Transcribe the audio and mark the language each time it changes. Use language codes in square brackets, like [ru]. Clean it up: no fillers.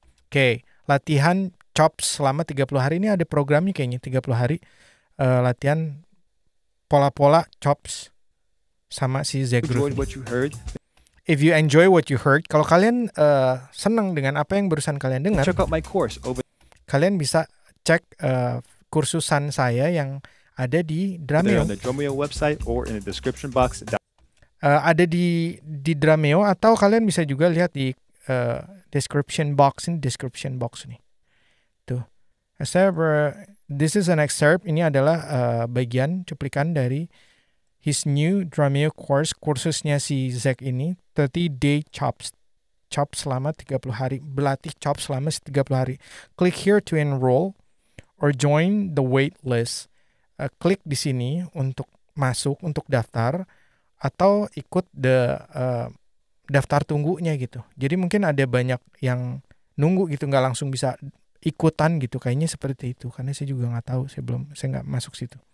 [id] Okay, latihan chop selama 30 hari ini ada programnya kayaknya 30 hari latihan pola-pola chops sama si Zegru. [en] If you enjoy what you heard, [id] kalau kalian senang dengan apa yang barusan kalian dengar, [en] check out my course over. [id] Kalian bisa cek kursusan saya yang ada di Dramio. [en] On the Dramio website or in the description box. [id] Ada di Dramio, atau kalian bisa juga lihat di description box nih. Tuh. [en] This is an excerpt. [id] Ini adalah bagian cuplikan dari [en] his new Dramio course, [id] kursusnya si Zack ini, 30 day chop selama 30 hari, berlatih chop selama 30 hari. [en] Click here to enroll or join the wait list. [id] Klik di sini untuk masuk, untuk daftar, atau ikut the daftar tunggunya gitu. Jadi mungkin ada banyak yang nunggu gitu, nggak langsung bisa ikutan gitu. Kayaknya seperti itu, karena saya juga nggak tahu, saya nggak masuk situ.